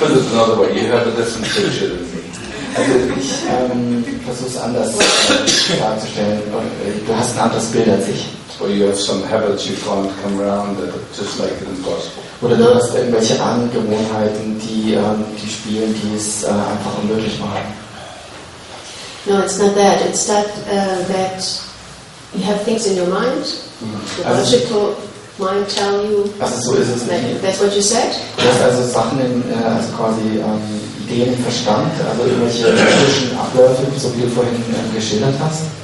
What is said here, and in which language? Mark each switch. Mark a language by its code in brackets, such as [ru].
[en] Put it another way. You have a different picture than me. [de] Also ich versuche es anders darzustellen. Du hast ein anderes Bild als ich. [en] Or you have some habits you can't come around that just make it impossible. [de] Oder du hast irgendwelche Angewohnheiten, die spielen, die es einfach unmöglich machen. [en] No, it's not that. It's that that you have things in your mind. The logical mind tell you. [de] Also so ist es nicht. [en] That's what you said. [de] Du hast also Sachen in also quasi Ideen im Verstand, also irgendwelche logischen Abläufe, so wie du vorhin geschildert hast.